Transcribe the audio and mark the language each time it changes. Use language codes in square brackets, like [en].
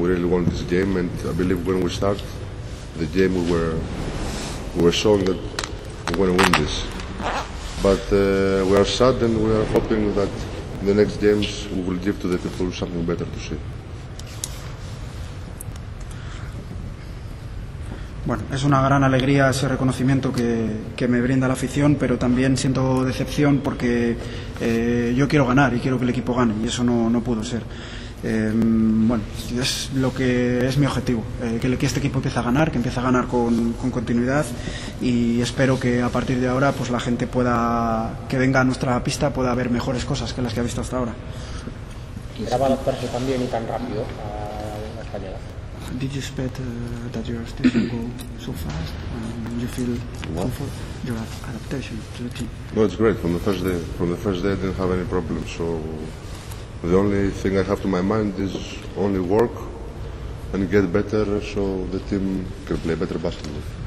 [en] We really want this game, and I believe when we start the game, we were shown that we're going to win this. But we are sad and we are hoping that in the next games we will give to the people something better to see. [es] Bueno, es una gran alegría ese reconocimiento que me brinda la afición, pero también siento decepción porque yo quiero ganar y quiero que el equipo gane, y eso no pudo ser. Bueno, es lo que es mi objetivo, que este equipo empiece a ganar, que empiece a ganar con continuidad, y espero que a partir de ahora pues la gente pueda, que venga a nuestra pista, pueda ver mejores cosas que las que ha visto hasta ahora. ¿Esperaba los perros tan bien y tan rápido a la española? [en] Did you expect that your station go so fast and you feel comfort, your adaptation to the team? Well, it's great. From the first day I didn't have any problems, so the only thing I have to my mind is only work and get better so the team can play better basketball.